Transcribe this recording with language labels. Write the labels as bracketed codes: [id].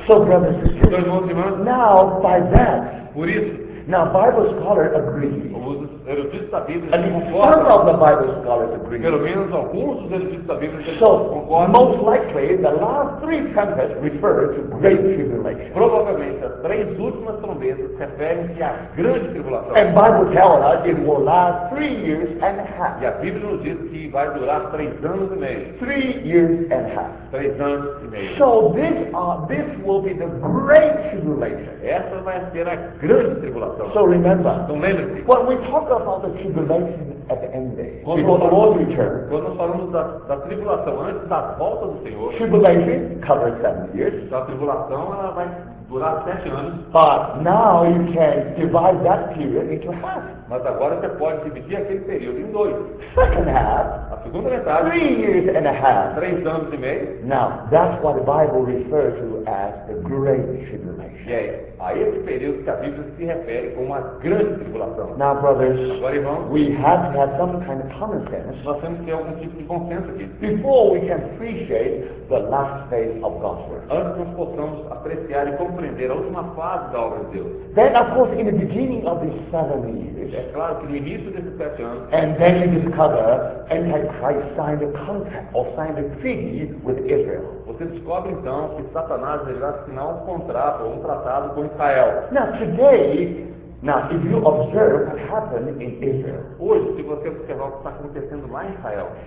[en] So, brothers and sisters, [pt] irmãos e irmãs, [en] now, by that, [pt] por isso, [en] now, Bible scholars agree. And some of the Bible scholars agree. [pt] Pelo menos alguns dos eruditos da Bíblia concordam. [en] So, most likely, the last 3 trumpets refer to great tribulation. [pt] Provavelmente, as 3 últimas trombetas referem-se à grande tribulação. [en] And Bible tells us it will last 3 years and a half. [pt] E a Bíblia nos diz que vai durar 3 anos e meio. [en] 3 years and a half. [pt] 3 anos e meio. [en] So, this will be the great tribulation. [pt] Essa vai ser a grande tribulação. [en] So, remember. [pt] Então, lembre-se. [en] When we talk about the tribulation at the end day, before the Lord returns. [pt] Quando nós falamos da tribulação antes da volta do Senhor, [en] tribulation covers 7 years. [pt] Então a tribulação ela vai durar 7 anos. [en] But now you can divide that period into half. [pt] Mas agora você pode dividir aquele período em 2. [en] Second half. [pt] A segunda metade. [en] 3 years and a half. [pt] 3 anos e meio. [en] Now that's what the Bible refers to as the great tribulation. [pt] E aí, a esse período que a Bíblia se refere como a grande tribulação. [en] Now, brothers, [pt] agora, irmãos, [en] we have to have some kind of common sense. [pt] Nós temos que ter algum tipo de bom senso aqui. [en] Before we can appreciate the last phase of God's work. [pt] Antes nós possamos apreciar e compreender a última fase da obra de Deus. [en] Then, of course, in the beginning of these 7 years. [pt] É claro que no início desses 7 anos. [en] And then you discover Antichrist signed a contract or signed a treaty with Israel. [pt] Você descobre então que Satanás deverá assinar um contrato ou um tratado com Israel. [en] Now today. Now, if you observe what happened in Israel, [pt] hoje, se você observar o que está acontecendo lá em Israel,